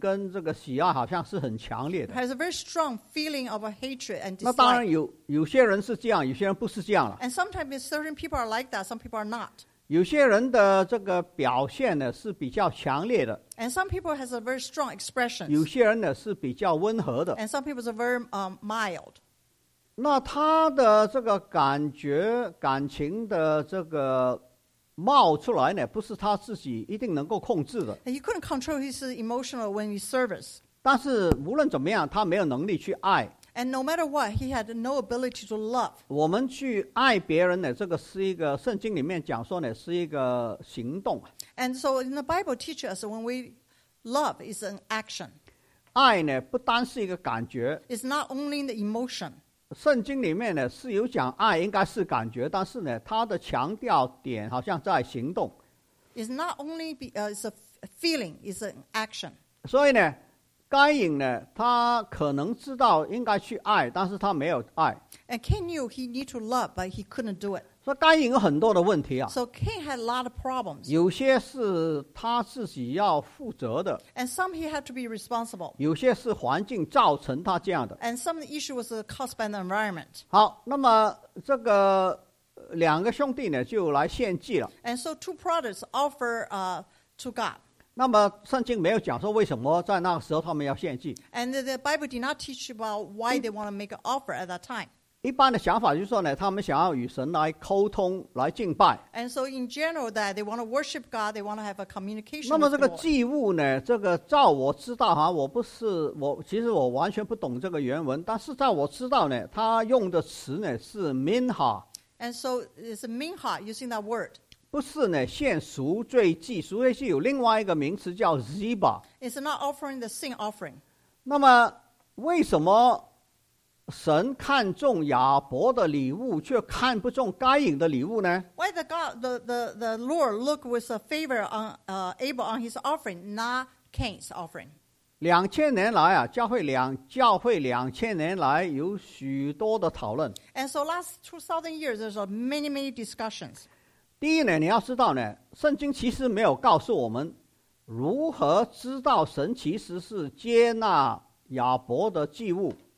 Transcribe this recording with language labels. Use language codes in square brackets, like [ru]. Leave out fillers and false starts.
[zh] 他的这个憎恨跟这个喜爱好像是很强烈的。 [en] Has a very strong feeling of a hatred and dislike. [zh] 那当然有些人是这样, 有些人不是这样了。 [en] And sometimes certain people are like that, some people are not. [zh] 有些人的这个表现呢是比较强烈的。 [en] And some people has a very strong expression. [zh] 有些人呢是比较温和的。 [en] And some people is very mild. [zh] 那他的这个感觉感情的这个冒出来呢不是他自己一定能够控制的。 [en] And you couldn't control his emotional when he service. [zh] 但是无论怎么样他没有能力去爱。 [en] And no matter what, he had no ability to love. [zh] 我们去爱别人呢，这个是一个圣经里面讲说呢，是一个行动。 [en] And so in the Bible teaches us when we love is an action. [zh] 爱呢，不单是一个感觉。 [en] It's not only the emotion. [zh] 圣经里面呢，是有讲爱应该是感觉，但是呢，它的强调点好像在行动。 [en] It's not only it's a feeling, it's an action. [zh] 所以呢该隐呢他可能知道应该去爱但是他没有爱。 [en] And Cain knew he needed to love, but he couldn't do it. [zh] 所以该隐有很多的问题啊。 [en] So Cain had a lot of problems. [zh] 有些是他自己要负责的。 [en] And some he had to be responsible. [zh] 有些是环境造成他这样的。 [en] And some of the issue was caused by the environment. [zh] 好那么这个两个兄弟呢就来献祭了。 [en] And so two brothers offer to God. [zh] 那么圣经没有讲说为什么在那个时候他们要献祭。 [en] And the Bible did not teach about why they want to make an offer at that time. [zh] 一般的想法就是说呢，他们想要与神来沟通，来敬拜。 [en] And so in general that they want to worship God, they want to have a communication. [zh] 那么这个祭物呢，这个照我知道哈，我不是我，其实我完全不懂这个原文，但是照我知道呢，他用的词呢是 minha. [en] And so it's minha using that word. [zh] 不是呢，献赎罪祭，赎罪祭有另外一个名词叫 ziba。 [en] It's not offering the sin offering。 [zh] 那么，为什么神看中亚伯的礼物，却看不中该隐的礼物呢 [en] ？Why the God, the Lord look with a favor on Abel on his offering, not Cain's offering？ [zh] 两千年来啊，教会两千年来有许多的讨论。 [en] And so last 2,000 years, there's many discussions。 [zh] 第一呢你要知道呢圣经其实没有告诉我们如何知道神其实是接纳亚伯的祭物。